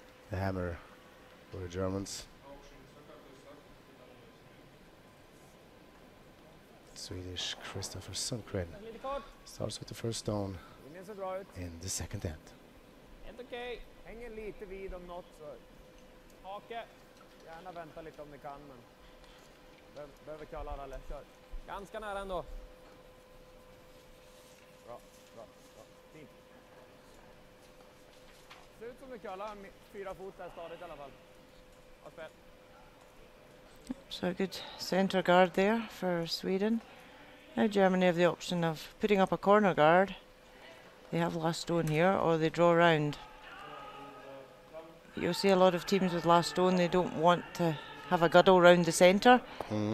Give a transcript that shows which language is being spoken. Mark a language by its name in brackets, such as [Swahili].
[English] The hammer for the Germans. Swedish Christopher Sundgren starts with the first stone in the second end. End okay. Hang a little bit on not so. Okay. [Swedish] Gärna vänta lite om ni kan, men behöver kalla alla läsar. Ganska nära ändå. Bra. Fint. Ser ut som ni kallar fyra fot där stadigt i alla fall. Ha spel. [English] So a good center guard there for Sweden. Now Germany have the option of putting up a corner guard. They have last stone here, or they draw round. You'll see a lot of teams with last stone, they don't want to have a guddle round the centre. Mm-hmm.